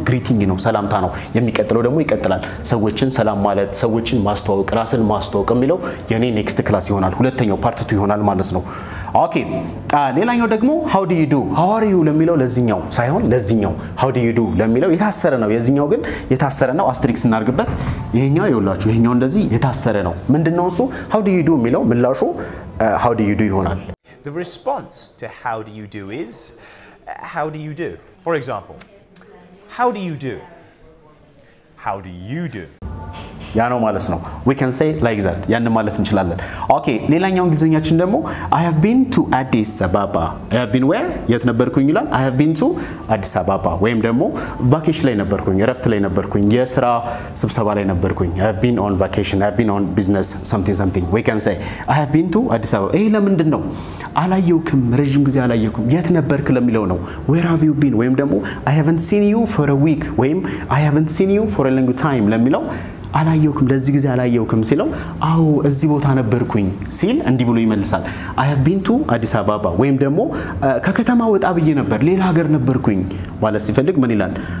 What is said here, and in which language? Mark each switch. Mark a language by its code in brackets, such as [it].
[am] ግሪቲንግ ነው፣ ሰላምታ ነው። የሚቀጥለው ደግሞ ይቀጥላል። ሰዎችን ሰላም ማለት፣ ሰዎችን ማስተዋወቅ፣ ራስን ማስተዋወቅ የሚለው የኔ ኔክስት ክላስ ይሆናል። ሁለተኛው ፓርት 2 ይሆናል ማለት ነው። ኦኬ ሌላኛው ደግሞ [en] ሃው ዱ ዩ ዱ ሃው አር ዩ [am] ለሚለው ለዚህኛው ሳይሆን ለዚህኛው [en] ሃው ዱ ዩ ዱ [am] ለሚለው የታሰረ ነው። የዚህኛው ግን የታሰረ ነው። አስትሪክስ እናርግበት። ይሄኛው ይወላችሁ፣ ይሄኛው እንደዚህ የታሰረ ነው። ምንድነው እሱ? [en] ሃው ዱ ዩ ዱ [am] የሚለው ምላሹ [en] ሃው ዱ ዩ ዱ [am] ይሆናል። [en] The response to how do you do is how do you do. For example, how do you do? How do you do? [am] ያ ነው ማለት ነው። [en] we can say like that [am] ያን ማለት እንችላለን። ኦኬ ሌላኛው እንግሊዘኛችን ደግሞ [en] i have been to addis ababa i have been where [am] የት ነበርኩኝ ይላል። [en] i have been to addis ababa [am] ወይም ደግሞ ቫኬሽን ላይ ነበርኩኝ፣ ረፍት ላይ ነበርኩኝ፣ የስራ ስብሰባ ላይ ነበርኩኝ። [en] i have been on vacation i have been on business something we can say i have been to addis ababa ايه [am] ለምንድን ነው አላየውክም? ረጅም ጊዜ አላየውክም፣ የት ነበርክ ለሚለው ነው። [en] where have you been [am] ወይም ደግሞ [en] i haven't seen you for a week [am] ወይም [en] i haven't seen you for a long time [am] ለሚለው አላየውክም፣ ለዚህ ጊዜ አላየውክም ሲለው አዎ እዚህ ቦታ ነበርኩኝ ሲል እንዲህ ብሎ ይመልሳል። [en] I have been to Addis Ababa [am] ወይም ደግሞ ከከተማ ወጣ ብዬ ነበር፣ ሌላ ሀገር ነበርኩኝ ማለት ሲፈልግ ምን ይላል?